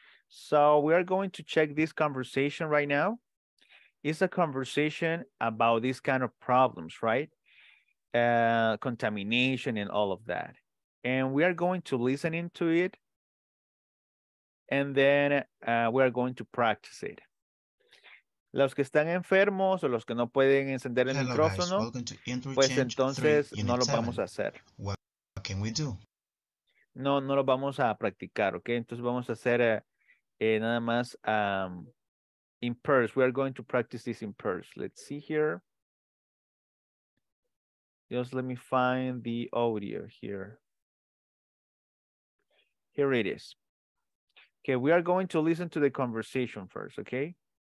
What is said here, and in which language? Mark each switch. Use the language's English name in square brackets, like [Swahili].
[English] So we are going to check this conversation right now. It's a conversation about these kind of problems, right? Contamination and all of that. And we are going to listen into it. And then we are going to practice it. [Spanish] Los que están enfermos o los que no pueden encender el micrófono, pues entonces no lo vamos a hacer. [English] What can we do? [Spanish] No lo vamos a practicar, ¿ok? Entonces vamos a hacer nada más in pairs. [English] We are going to practice this in pairs. Let's see here. Just let me find the audio here. Here it is. Okay, we are going to listen to the conversation first, okay?